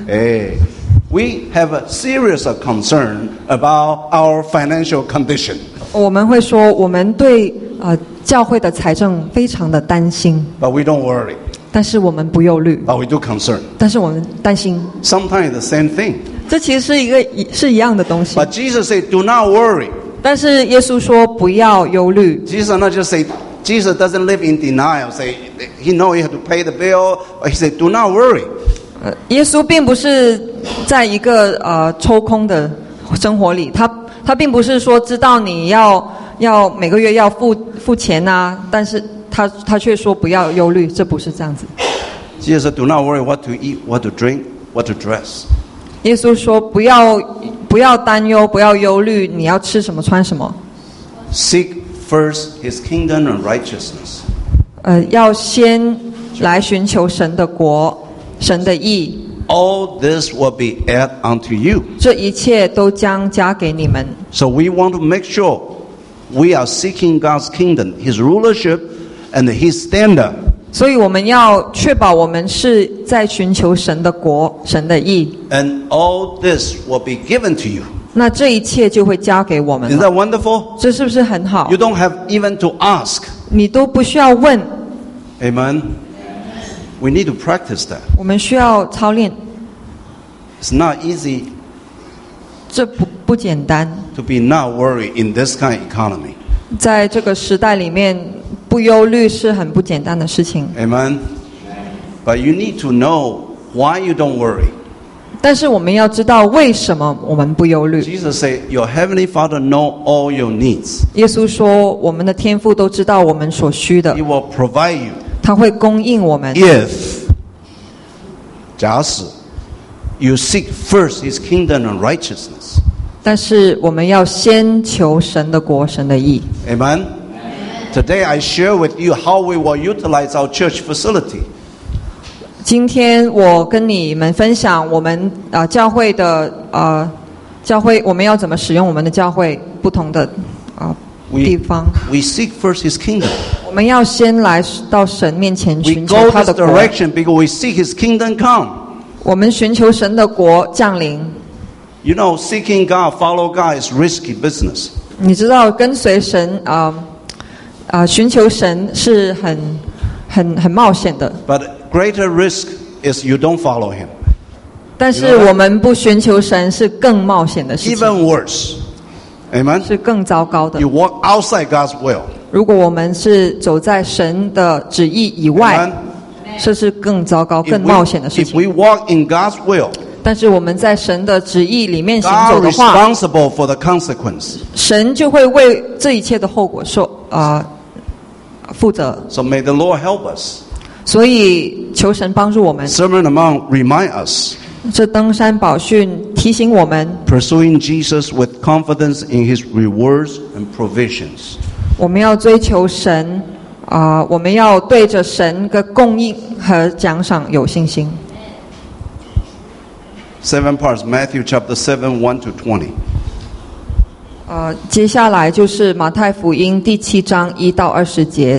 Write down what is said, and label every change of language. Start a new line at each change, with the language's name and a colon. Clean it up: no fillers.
English: 哎、we have a serious concern about our financial condition.
Chinese: 我们会说，我们对教会的财政非常的担心。
English: But we don't worry.
Chinese: 但是我们不忧虑。
English: But we do concern.
Chinese: 但是我们担心。
English: Sometimes the same thing.
Chinese: 这其实是一样的东西。
English: But Jesus said, "Do not worry."
Chinese: 但是耶稣说不要忧虑。
English: Jesus not just say, Jesus doesn't live in denial. Say, he know he have to pay the bill. He say, do not worry.
Chinese: 耶稣并不是在一个抽空的生活里，他并不是说知道你要每个月要付钱啊，但是他却说不要忧虑，这不是这样子。
English: Jesus said, do not worry what to eat, what to drink, what to dress.
Chinese: 耶稣说不要担忧，不要忧虑，你要吃什么，穿什么。
English: Seek first His kingdom and righteousness.
Chinese: 要先来寻求神的国，神的义。
English: All this will be added unto you.
Chinese: 这一切都将加给你们。
English: So we want to make sure we are seeking God's kingdom, His rulership, and His standard.
Chinese: 所以我们要确保我们是在寻求神的国，神的义。
English: And all this will be given to you.
Chinese: 那这一切就会交给我们了。
English: Isn't that wonderful?
Chinese: 这是不是很好？
English: You don't have even to ask.
Chinese: 你都不需要问。
English: Amen. We need to practice that.
Chinese: 我们需要操练。
English: It's not easy.
Chinese: 这不简单。
English: To be not worried in this kind of economy.
Chinese: 在这个时代里面，不忧虑是很不简单的事情。
English: Amen. But you need to know why you don't worry.
Chinese: 但是我们要知道为什么我们不忧虑。
English: Jesus said, "Your heavenly Father know all your needs."
Chinese: 耶稣说，我们的天父都知道我们所需的。
English: He will provide you.
Chinese: 他会供应我们。
English: If
Chinese: 假使
English: you seek first His kingdom and righteousness.
Chinese: 但是我们要先求神的国，神的义。
English: Amen. Today I share with you how we will utilize our church facility.
Chinese: 今天我跟你们分享我们教会的教会，我们要怎么使用我们的教会不同的地方。
English: We seek first His kingdom.
Chinese: 我们要先来到神面前寻求他的国。
English: We go His direction because we seek His kingdom come.
Chinese: 我们寻求神的国降临。
English: You know, seeking God, follow God is risky business.
Chinese: 你知道跟随神寻求神是很冒险的。
English: But greater risk is you don't follow him.
Chinese: 但是我们不寻求神是更冒险的事情。
English: Even worse. Amen.
Chinese: 是更糟糕的。
English: You walk outside God's will.
Chinese: 如果我们是走在神的旨意以外，这是更糟糕，更冒险的事情。
English: If we walk in God's will.
Chinese: 但是我们在神的旨意里面行走的话，
English: God responsible for the consequence.
Chinese: 神就会为这一切的后果受负责。
English: So may the Lord help us.
Chinese: 所以求神帮助我们。
English: Sermon on the Mount remind us.
Chinese: 这登山宝训提醒我们。
English: Pursuing Jesus with confidence in His rewards and provisions.
Chinese: 我们要追求神我们要对着神的供应和奖赏有信心。
English: Seven parts, Matthew chapter 7, 1 to 20.
Chinese: 接下来就是马太福音第七章一到二十节。